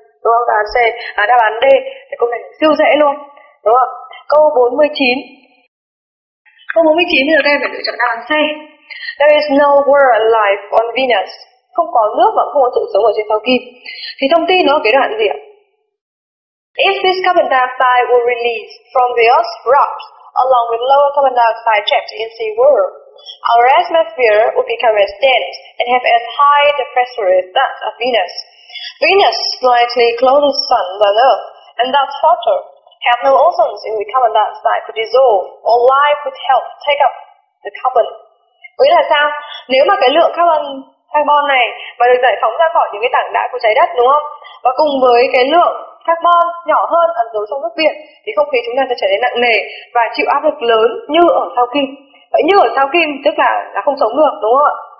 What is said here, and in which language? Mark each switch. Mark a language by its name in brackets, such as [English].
[Vietnamese] Đúng không? Đáp án C, đáp án D. Cái câu này siêu dễ luôn. Đúng không? Câu 49. Câu 49 thì các em phải lựa chọn đáp án C. [English] There is no world life on Venus. [Vietnamese] Không có nước và không có sự sống ở trên sao Kim. Thì thông tin nó ở cái đoạn gì ạ? [English] If this carbon dioxide were released from the Earth's rocks along with lower carbon dioxide trapped in sea water, our atmosphere would become as dense and have as high the pressure as that of Venus. Venus slightly closer to the sun than Earth and thus hotter, have no oceans in which carbon dioxide could dissolve or life could help take up the carbon. [Vietnamese] Nghĩa là sao? Nếu mà cái lượng carbon này mà được giải phóng ra khỏi những cái tảng đá của trái đất đúng không? Và cùng với cái lượng carbon nhỏ hơn ẩn dấu trong nước biển thì không khí chúng ta sẽ trở nên nặng nề và chịu áp lực lớn như ở sao Kim. Vậy như ở sao Kim tức là không sống được đúng không ạ?